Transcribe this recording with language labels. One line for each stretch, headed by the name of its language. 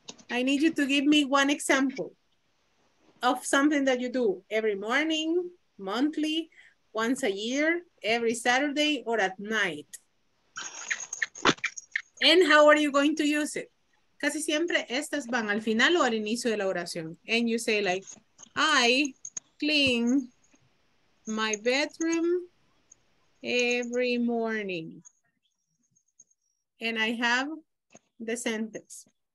English: I need you to give me one example of something that you do every morning, monthly, once a year, every Saturday, or at night. And how are you going to use it?
Spanish: Casi siempre estas van al final o al inicio de la oración.
English: And you say like, I clean my bedroom every morning. And I have the sentence.